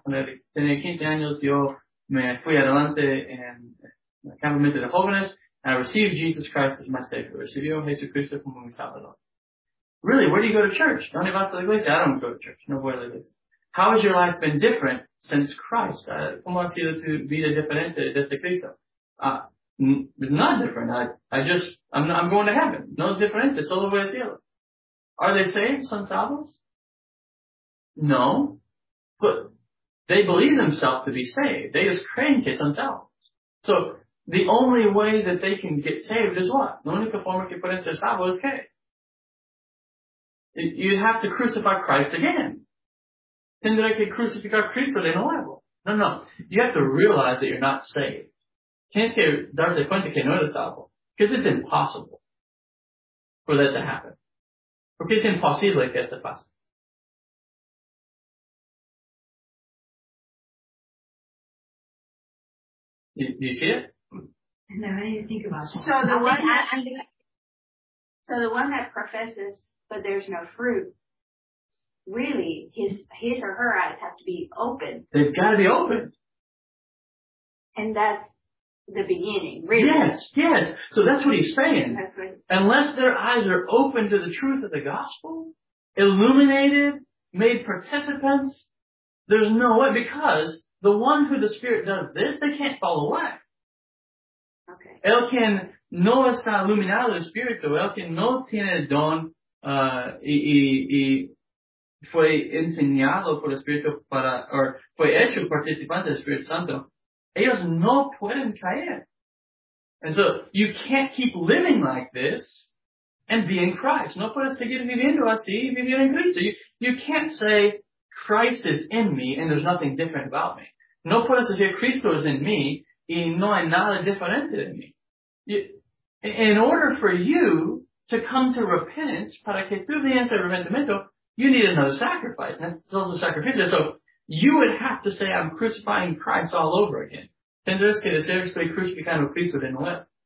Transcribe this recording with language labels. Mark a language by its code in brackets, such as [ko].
[en] When I came to Daniels, [es] yo me fui adelante en el campamento de jóvenes. [en] And I received Jesus Christ as my Savior. [es] Recibió Jesucristo como mi Salvador. [en] Really, where do you go to church? [es] ¿Dónde vas a la iglesia? [en] I don't go to church. [es] No voy a la iglesia. [en] How has your life been different since Christ? [es] ¿Cómo ha sido tu vida diferente desde Cristo? [en] It's not different. I'm going to heaven. [es] No es diferente. Solo voy a cielo. [en] Are they saved? [es] Son salvos? No. [en] But they believe themselves to be saved. They just [es] creen que son salvos. [en] So the only way that they can get saved is what? [es] La única forma que pueden ser salvos es que. [en] You have to crucify Christ again. [es] Tendré que crucificar Cristo de nuevo. [en] No, no. You have to realize that you're not saved. [es] Tienes que darte cuenta que no eres salvo. [en] Because it's impossible for that to happen. [es] Porque es imposible que esto pase. [en] Do you see it? No, I didn't think about that. So the one that professes, but there's no fruit, really, his or her eyes have to be open. They've got to be open. And that's the beginning, really. Yes. So that's what he's saying. Unless their eyes are open to the truth of the gospel, illuminated, made participants, there's no way, because the one who the Spirit does this, they can't fall away. Okay. [es] El quien no está iluminado el Espíritu, el quien no tiene don y fue enseñado por el Espíritu para, o fue hecho participante del Espíritu Santo, ellos no pueden caer. [en] And so, you can't keep living like this and be in Christ. [es] No puedes seguir viviendo así y vivir en Cristo. [en] You can't say, Christ is in me and there's nothing different about me. [es] No puedes decir, Cristo es en mí y no hay nada diferente de mí. [en] In order for you to come to repentance, [es] para que tú vienes al arrepentimiento, [en] you need another sacrifice. And that's also sacrificio. So, you would have to say, I'm crucifying Christ all over again. [es] Tendrás que decir, estoy crucificando Cristo de nuevo.